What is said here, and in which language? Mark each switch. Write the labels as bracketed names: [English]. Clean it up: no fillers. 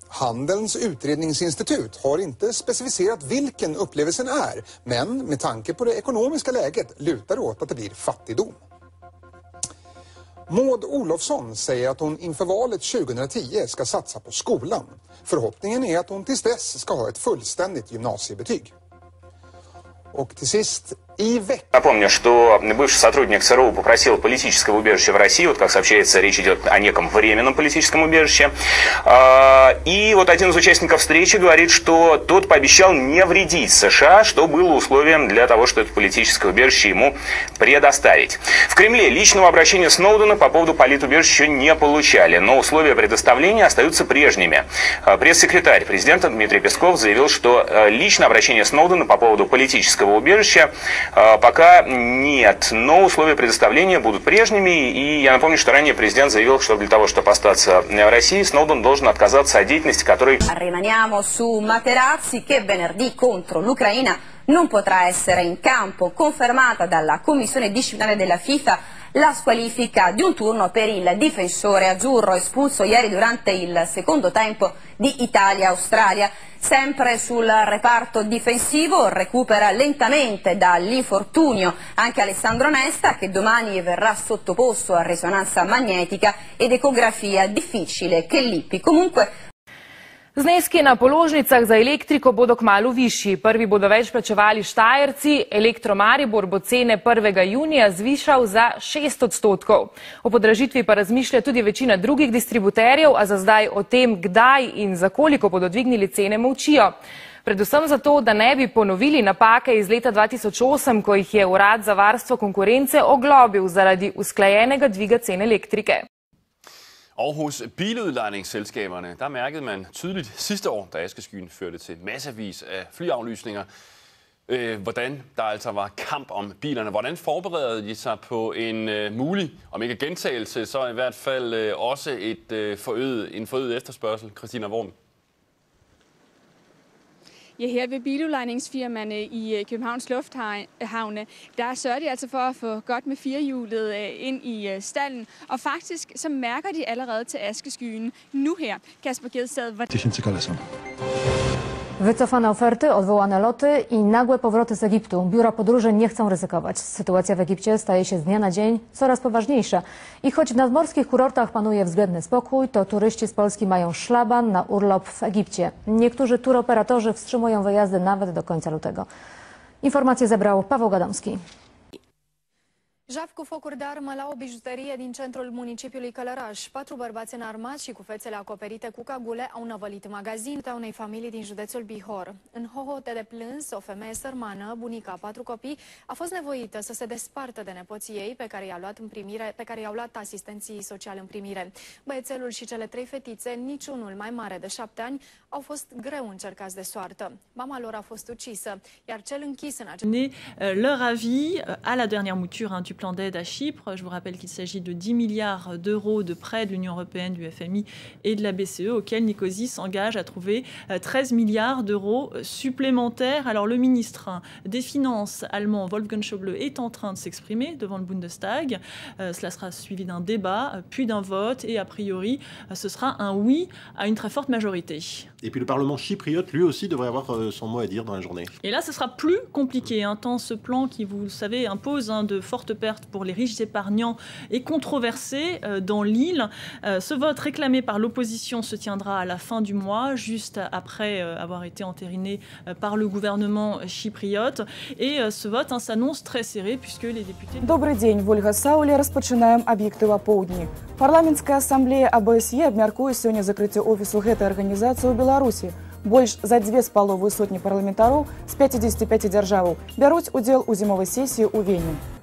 [Swedish] Handelns utredningsinstitut har inte specificerat vilken upplevelsen är, men med tanke på det ekonomiska läget lutar åt att det blir fattigdom. Maud Olofsson säger att hon inför valet 2010 ska satsa på skolan. Förhoppningen är att hon tills dess ska ha ett fullständigt gymnasiebetyg. Och till sist... [Russian] Напомню, что бывший сотрудник ЦРУ попросил политического убежища в России, вот как сообщается, речь идет о неком временном политическом убежище. И вот один из участников встречи говорит, что тот пообещал не вредить США, что было условием для того, что это политическое убежище ему предоставить. В Кремле личного обращения Сноудена по поводу политубежища не получали, но условия предоставления остаются прежними. Пресс-секретарь президента Дмитрий Песков заявил, что личное обращение Сноудена по поводу политического убежища пока нет, но условия предоставления будут прежними. И я напомню, что ранее президент заявил, что для того, чтобы остаться в России, Сноуден должен отказаться от деятельности, которой... [Italian] Rimaniamo su Materazzi, che venerdì contro l'Ucraina non potrà essere in campo, confermata dalla commissione disciplinare della FIFA la squalifica di un turno per il difensore azzurro espulso ieri durante il secondo tempo di Italia-Australia. Sempre sul reparto difensivo recupera lentamente dall'infortunio anche Alessandro Nesta, che domani verrà sottoposto a risonanza magnetica ed ecografia difficile che Lippi. Comunque... [Slovenian] Zneski na položnicah za elektriko bodo kmalu višji. Prvi bodo več plačevali Štajerci. Elektro Maribor bo cene 1. junija zvišal za 6%. O podražitvi pa razmišlja tudi večina drugih distributerjev, a za zdaj o tem, kdaj in za koliko bodo dvignili cene, molčijo. Predvsem zato, da ne bi ponovili napake iz leta 2008, ko jih je Urad za varstvo konkurence oglobil zaradi usklajenega dviga cene elektrike. [Danish] Og hos biludlejningsselskaberne, der mærkede man tydeligt sidste år, da askeskyen førte til massevis af flyaflysninger, hvordan der altså var kamp om bilerne. Hvordan forberedte de sig på en mulig, om ikke gentagelse, så i hvert fald også en forøget efterspørgsel? Christina Worm. Ja, her ved biludlejningsfirmaerne i Københavns Lufthavne, der sørger de altså for at få godt med firehjulet ind i stallen. Og faktisk, så mærker de allerede til askeskyen nu her. Kasper Gedstad, hvordan... Det synes jeg godt, [Polish] Wycofane oferty, odwołane loty i nagłe powroty z Egiptu. Biura podróży nie chcą ryzykować. Sytuacja w Egipcie staje się z dnia na dzień coraz poważniejsza. I choć w nadmorskich kurortach panuje względny spokój, to turyści z Polski mają szlaban na urlop w Egipcie. Niektórzy turoperatorzy wstrzymują wyjazdy nawet do końca lutego. Informację zebrał Paweł Gadomski. [Romanian] Jafcu focuri de armă la o bijuterie din centrul municipiului Călăraș. Patru bărbați înarmați și cu fețele acoperite cu cagule au năvălit magazinul unei familii din județul Bihor. În hohote de plâns, o femeie sărmană, bunica a patru copii, a fost nevoită să se despartă de nepoții ei pe care i-au luat asistenții sociale în primire. Băiețelul și cele trei fetițe, niciunul mai mare de 7 ani, au fost greu încercați de soartă. Mama lor a fost ucisă, iar cel închis în [French] acest... du plan d'aide à Chypre. Je vous rappelle qu'il s'agit de 10 milliards d'euros de prêts de l'Union européenne, du FMI et de la BCE, auxquels Nicosie s'engage à trouver 13 milliards d'euros supplémentaires. Alors le ministre des Finances allemand, Wolfgang Schäuble, est en train de s'exprimer devant le Bundestag. Cela sera suivi d'un débat, puis d'un vote, et a priori, ce sera un oui à une très forte majorité. Et puis le Parlement chypriote, lui aussi, devrait avoir son mot à dire dans la journée. Et là, ce sera plus compliqué, hein, tant ce plan qui, vous le savez, impose de fortes pertes offerte pour les riches épargnants est controversée dans l'île. Ce vote réclamé par l'opposition se tiendra à la fin du mois, juste après avoir été entériné par le gouvernement chypriote. Et ce vote s'annonce très serré puisque les députés... [Belarusian] Добрый день, Вольга Саулі. Розпочинаємо об'єктива повдні. Парламентська асамблея АБСЄ обмяркує сьогодні закриття офісу гетої організації у Білорусі. Больш за 2,5 сотні парламентарів з 55 держав беруть удел у зимовій сесії у Вені.